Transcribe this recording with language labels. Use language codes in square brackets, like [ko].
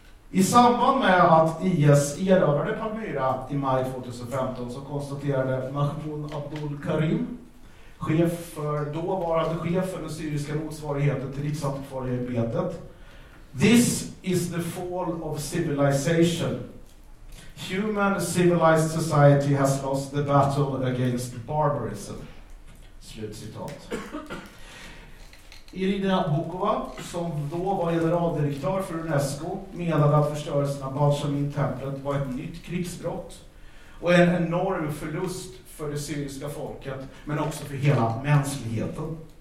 [sv] I samband med att IS erövrade Palmyra i maj 2015 så konstaterade Mahmoud Abdul-Karim, chef för den syriska motsvarigheten till Riksantikvarieämbetet, [en] "This is the fall of civilization. Human civilized society has lost the battle against barbarism." [sv] Slutcitat. Irina Bokova, som då var generaldirektör för UNESCO, menade att förstörelsen av Balsamin-templet var ett nytt krigsbrott och en enorm förlust för det syriska folket, men också för hela mänskligheten.